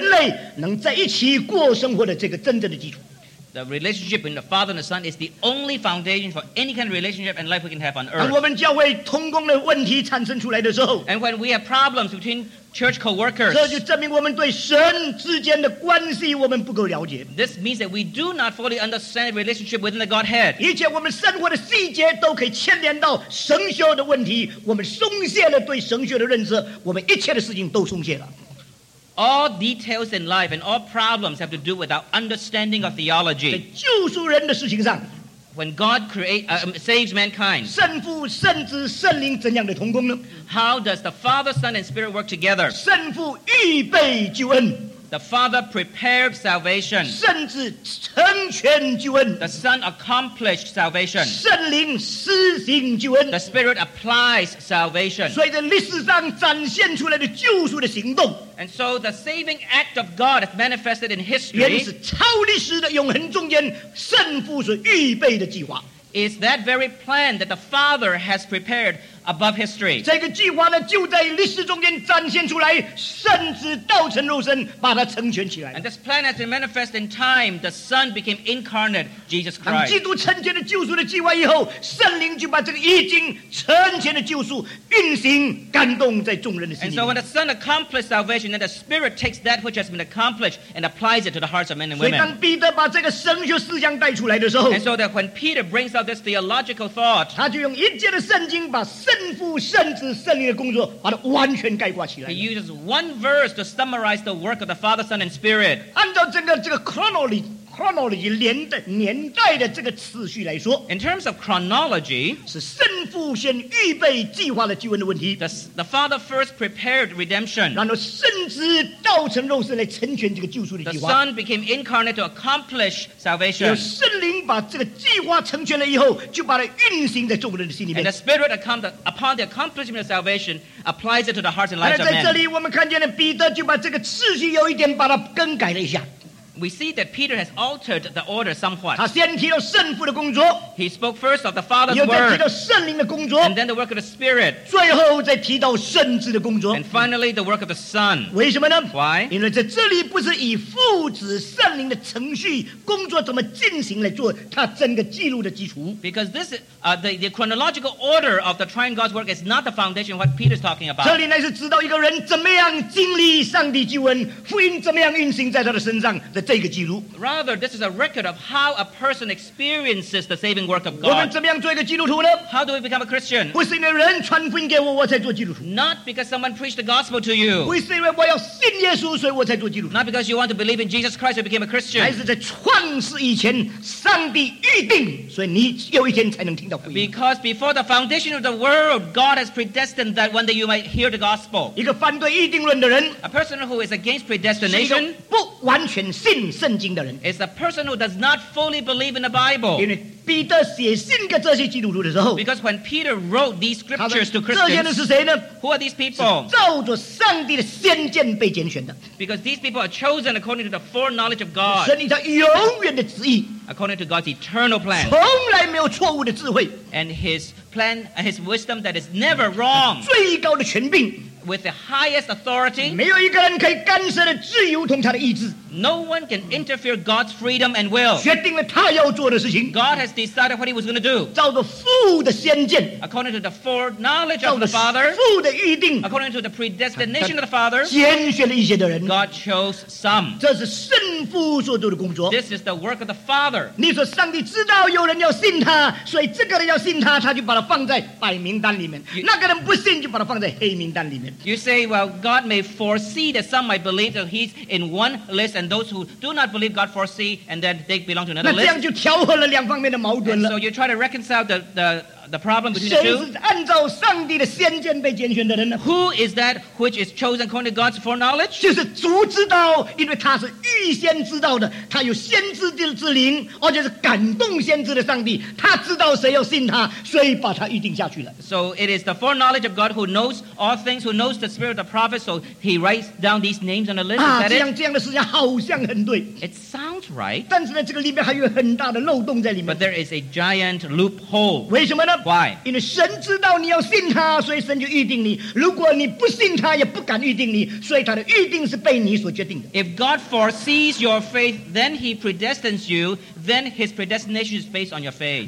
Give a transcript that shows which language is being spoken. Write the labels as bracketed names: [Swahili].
[Chinese] 因为只有圣父、圣子之间这个关系呢，才成为我们人类能在一起过生活的这个真正的基础。 [English] The relationship between the Father and the Son is the only foundation for any kind of relationship and life we can have on earth. [Chinese] 当我们教会同工的问题产生出来的时候， [English] And when we have problems between church co-workers, [Chinese] 这就证明我们对神之间的关系我们不够了解。 [English] This means that we do not fully understand the relationship within the Godhead. [Chinese] 以及我们生活的细节都可以牵连到神学的问题，我们松懈了对神学的认知，我们一切的事情都松懈了。 [English] All details in life and all problems have to do with our understanding of theology. [Chinese] 在救赎人的事情上, [English] when God saves mankind, [Chinese] 圣父、圣子、圣灵怎样的同工呢? [English] How does the Father, Son, and Spirit work together? [Chinese] 圣父预备救恩, [English] The Father prepared salvation. [Chinese] 甚至成全救恩。 [English] The Son accomplished salvation. [Chinese] 圣灵施行救恩。 [English] The Spirit applies salvation. [Chinese] 所以在历史上展现出来的救赎的行动。 [English] And so the saving act of God is manifested in history. [Chinese] 原是超历史的永恒中间，圣父所预备的计划。 [English] Is that very plan that the Father has prepared above history? [Chinese] 这个计划呢，就在历史中间展现出来，甚至道成肉身，把它成全起来。 [English] And this plan has been manifest in time. The Son became incarnate, Jesus Christ. [Chinese] 当基督成全了救赎的计划以后，圣灵就把这个已经成全的救赎运行感动在众人的心里。 [English] And so when the Son accomplished salvation, then the Spirit takes that which has been accomplished and applies it to the hearts of men and women. [Chinese] 所以当彼得把这个神学思想带出来的时候 [English] ，And so that when Peter brings out this theological thought, [Chinese] 他就用一节的圣经把圣父、圣子、圣灵的工作，把它完全概括起来。 [English] He uses one verse to summarize the work of the Father, Son, and Spirit. [Chinese] 按照这个 chronology 年代的这个次序来说 [English] ，In terms of chronology， [Chinese] 是圣父先预备计划了救恩的问题。 [English] The Father first prepared redemption， [Chinese] 然后圣子道成肉身来成全这个救赎的计划。 [English] The Son became incarnate to accomplish salvation。 [Chinese] 圣灵把这个计划成全了以后，就把它运行在众人的心里面。 [English] And the Spirit upon the accomplishment of salvation applies it to the hearts and lives of men。 [Chinese] 在这里，我们看见了彼得就把这个次序有一点把它更改了一下。 [English] We see that Peter has altered the order somewhat. [Chinese] 他先提到圣父的工作。 [English] He spoke first of the Father's work. [Chinese] 又再提到圣灵的工作。 [English] And then the work of the Spirit. [Chinese] 最后再提到圣子的工作。 [English] And finally the work of the Son. [Chinese] 为什么呢？ [English] Why? [Chinese] 因为在这里不是以父子圣灵的程序工作怎么进行来做他整个记录的基础。 [English] Because this is, the chronological order of the triune God's work is not the foundation of what Peter's talking about. [Chinese] 这里乃是知道一个人怎么样经历上帝救恩，福音怎么样运行在他的身上的。 [English] Rather, this is a record of how a person experiences the saving work of God. [Chinese] 我们怎么样做一个基督徒呢？ [English] How do we become a Christian? [Chinese] 不是因为人传福音给我，我才做基督徒。 [English] Not because someone preached the gospel to you. [Chinese] 不是因为我要信耶稣，所以我才做基督徒。 [English] Not because you want to believe in Jesus Christ, you became a Christian. [Chinese] 还是在创世以前，上帝预定，所以你有一天才能听到福音。 [English] Because before the foundation of the world, God has predestined that one day you might hear the gospel. [Chinese] 一个反对预定论的人， [English] a person who is against predestination, [Chinese] 是一个不完全信。圣经的人 [English] is a person who does not fully believe in the Bible. [Chinese] 因为彼得写信给这些基督徒的时候 [English] because when Peter wrote these scriptures to Christians, [Chinese] 这些人是谁呢？ [English] Who are these people? [Chinese] 是照着上帝的先见被拣选的 [English] because these people are chosen according to the foreknowledge of God. [Chinese] 神以他永远的旨意 [English] according to God's eternal plan, [Chinese] 从来没有错误的智慧 [English] and his plan, his wisdom that is never wrong. [Chinese] 最高的权柄。 [English] With the highest authority, [Chinese] 没有一个人可以干涉的自由同他的意志。 [English] No one can interfere God's freedom and will. [Chinese] 决定了他要做的事情。 [English] God has decided what he was going to do. [Chinese] 照着父的先见。 [English] According to the foreknowledge of the Father. [Chinese] 照着父的预定。 [English] According to the predestination of the Father. [Chinese] 拣选了一些的人。 [English] God chose some. [Chinese] 这是圣父所做的工作。 [English] This is the work of the Father. [Chinese] 你说上帝知道有人要信他，所以这个人要信他，他就把他放在白名单里面。那个人不信，就把他放在黑名单里面。 [English] You say, well, God may foresee that some might believe that he's in one list and those who do not believe God foresee and then they belong to another list. [Chinese] 那这样就调和了两方面的矛盾了。 [English] So you try to reconcile the problem between the two. [Chinese] 谁是按照上帝的先见被拣选的人呢？ [English] Who is that which is chosen according to God's foreknowledge? [Chinese] 就是主知道，因为他是预先知道的，他有先知的之灵，而且是感动先知的上帝，他知道谁要信他，所以把他预定下去了。 [English] So it is the foreknowledge of God who knows all things, who knows the spirit of the prophet, so he writes down these names on the list. [Chinese] 啊，这样的事情好像很对。 [English] It sounds right. [Chinese] 但是呢，这个里面还有很大的漏洞在里面。 [English] But there is a giant loophole. [Chinese] 为什么呢？ [English] Why? [Chinese] 因为神知道你要信他，所以神就预定你。如果你不信他，也不敢预定你，所以他的预定是被你所决定的。 [English] If God foresees your faith, then he predestines you, then his predestination is based on your faith.